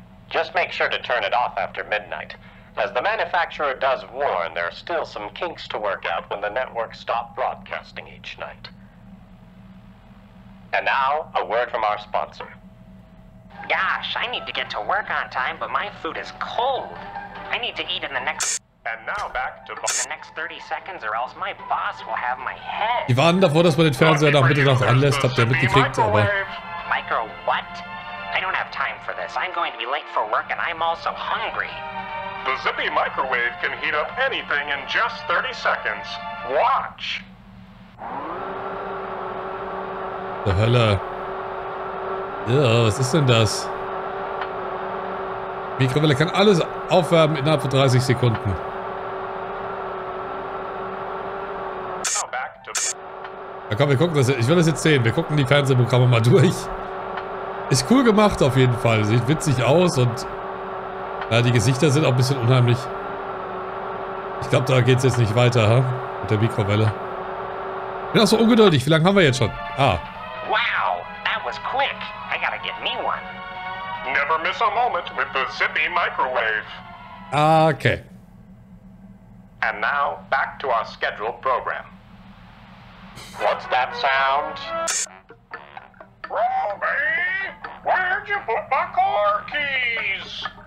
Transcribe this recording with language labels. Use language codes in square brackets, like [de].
[en] Just make sure to turn it off after midnight. As the manufacturer does warn, there are still some kinks to work out when the network stops broadcasting each night. And now, a word from our sponsor. Gosh, I need to get to work on time, but my food is cold. I need to eat in the next... And now back to... In the next 30 seconds or else my boss will have my head. [de] Die waren davor, dass man den Fernseher nach Mitternacht anlässt, habt ihr mitgekriegt, aber... [en] Micro what? I don't have time for this. I'm going to be late for work and I'm also hungry. The Zippy Microwave can heat up anything in just 30 seconds. Watch! [de] The Hölle. Ja, was ist denn das? Mikrowelle kann alles aufwärmen innerhalb von 30 Sekunden. [en] Now back to... [de] Na komm, wir gucken das. Ich will das jetzt sehen. Wir gucken die Fernsehprogramme mal durch. Ist cool gemacht auf jeden Fall. Sieht witzig aus und... Ja, die Gesichter sind auch ein bisschen unheimlich. Ich glaube, da geht es jetzt nicht weiter, ha? Mit der Mikrowelle. Bin auch so ungeduldig. Wie lange haben wir jetzt schon? Ah. [en] Wow, that was quick. I gotta get me one. Never miss a moment with the Zippy Microwave. Okay. And now, back to our scheduled program. What's that sound? Ruby, where'd you put my car keys?